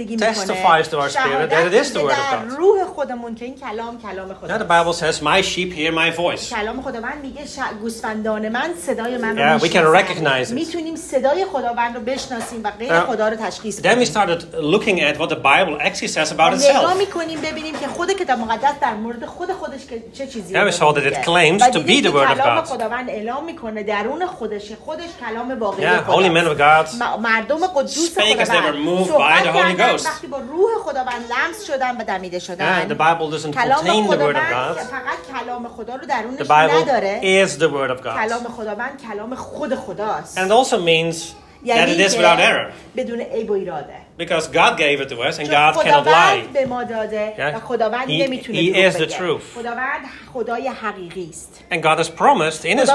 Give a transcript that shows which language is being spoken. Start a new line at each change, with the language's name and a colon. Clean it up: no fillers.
English: Testifies to our spirit that it is the word of God.
Persian: روح خودمون که این کلام کلام خداست.
English: The Bible says, "My sheep hear my voice."
Persian: کلام خداوند میگه گوسفندان من صدای من رو میشنوند.
English: We can recognize it.
Persian: میتونیم صدای خداوند رو بشناسیم و غیر خدا رو تشخیص بدیم.
English: Then we started looking at what the Bible actually says about itself.
Persian: نگاه میکنیم ببینیم که خود کتاب مقدس در مورد خود خودش چه چیزی.
English: Now we saw that it claims to be the word of God.
Persian: کلام خداوند اعلام میکنه درون خودش کلام
English: Yeah, holy men of God
Persian: مردم قدوس
English: spake as they were moved by the Holy Ghost.
Persian: وقتی با روح خداوند لمس شدن و دمیده شدن.
English: Yeah, the Bible doesn't contain the word of God.
Persian: فقط کلام خدا رو درونش نداره.
English: The Bible is the word of God.
Persian: کلام خداوند کلام خود خداست.
English: And it also means that it is without error.
Persian: بدون عیب و اراده.
English: Because God gave it to us and God cannot lie.
Persian: خداوند به ما داده و خداوند نمیتونه دروغ بگه.
English: He is the truth.
Persian: خداوند خدای حقیقی است.
English: And God has promised in his word.